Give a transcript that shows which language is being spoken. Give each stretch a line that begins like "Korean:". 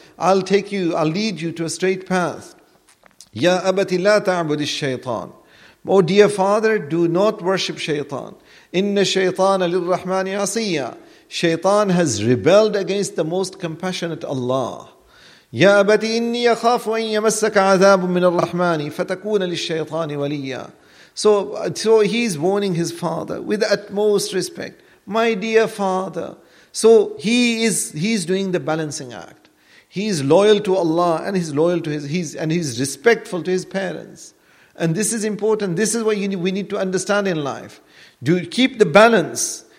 English: I'll take you, I'll lead you to a straight path.
Arabic: يَا أَبَتِ لَا تَعْبُدِ الشَّيْطَانِ.
English: Oh dear father, do not worship shaytan.
Arabic: إِنَّ الشَّيْطَانَ لِلرَّحْمَنِ عَصِيًّا.
English: Shaytan has rebelled against the most compassionate Allah.
Arabic: يا أبتي إني أخاف أن يمسك عذاب من الرحمن فتكون للشيطان وليا.
English: So he's warning his father with utmost respect. My dear father. So he's doing the balancing act. He's loyal to Allah and he's loyal to he's respectful to his parents. And this is important. This is what we need to understand in life. Do keep the balance.